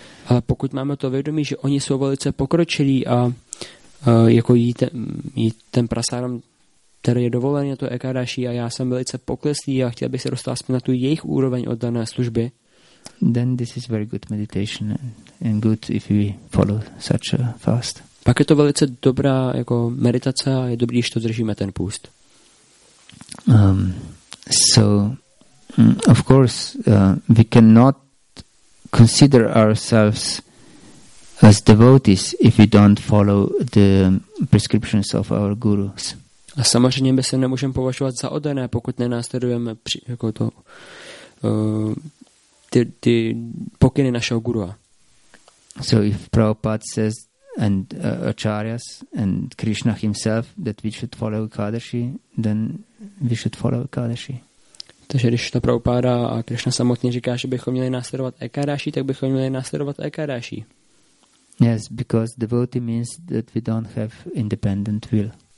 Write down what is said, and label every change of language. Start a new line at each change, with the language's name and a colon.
Czech: A pokud máme to vědomí, že oni jsou velice pokročilí a jako jít ten prasádom, který je dovolený na to Ekadashi, a já jsem velice pokleslý a chtěl bych se dostat na tu jejich úroveň oddané služby.
English: Then this is very good meditation and good if we follow such a fast.
Czech: Pak je to velice dobrá jako meditace a je dobrý, když to držíme ten půst.
English: So of course we cannot consider ourselves as devotees if we don't follow the prescriptions of our gurus.
Czech: A samozřejmě my se nemůžeme považovat za oddané, pokud nenásledujeme jako to ty pokyny našeho gurua.
English: So if Prabhupada says and acharyas and Krishna himself that we should follow Ekadashi, then we should follow Ekadashi.
Czech: Takže když to Prabhupada a Krishna samotně říká, že bychom měli následovat Ekadashi, tak bychom měli následovat Ekadashi.
English: Yes, because devotee means that we don't have independent will.